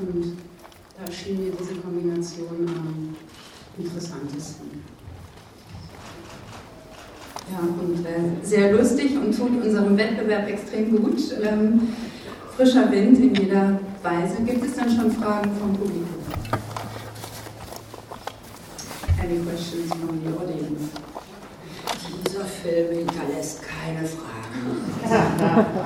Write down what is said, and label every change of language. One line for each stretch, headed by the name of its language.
German: Und da schien mir diese Kombination am interessantesten. Ja, und sehr lustig und tut unserem Wettbewerb extrem gut. Frischer Wind in jeder Weise. Gibt es dann schon Fragen vom Publikum?
English: Any questions from the audience?
German: Dieser Film hinterlässt keine Fragen.